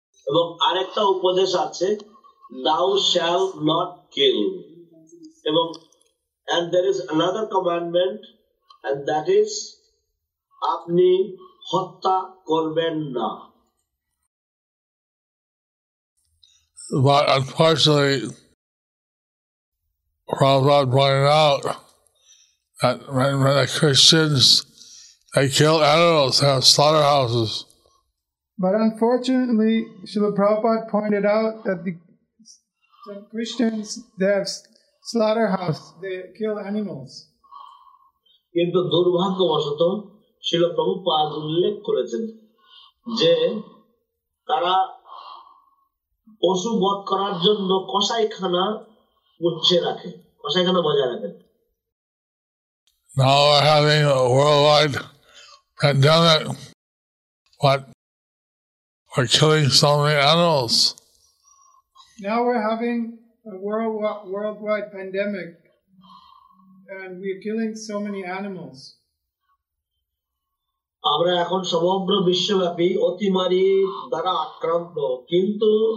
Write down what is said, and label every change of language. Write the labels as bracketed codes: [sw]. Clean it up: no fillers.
[bn] এবং আরেকটা উপদেশ আছে [en] thou shall not kill [bn] এবং [en] and there is another commandment and that is [bn] আপনি হত্যা করবেন না। [en] But unfortunately, Prabhupada pointed out that when the Christians, they kill animals, they have slaughterhouses. But unfortunately, Srila Prabhupada pointed out that the Christians, they have slaughterhouses, they kill animals. [bn] কিন্তু দুর্ভাগ্যবশত Srila Prabhupada উল্লেখ করেছেন যে তারা পশু বধ করার জন্য কসাইখানা উচ্ছে রাখে কসাইখানা বজায় রাখে। [en] Now we're having a worldwide pandemic, but we're killing so many animals. Now we're having a worldwide pandemic, and we're killing so many animals. [bn] আমরা এখন সমগ্র বিশ্বব্যাপী অতিমারি দ্বারা আক্রান্ত কিন্তু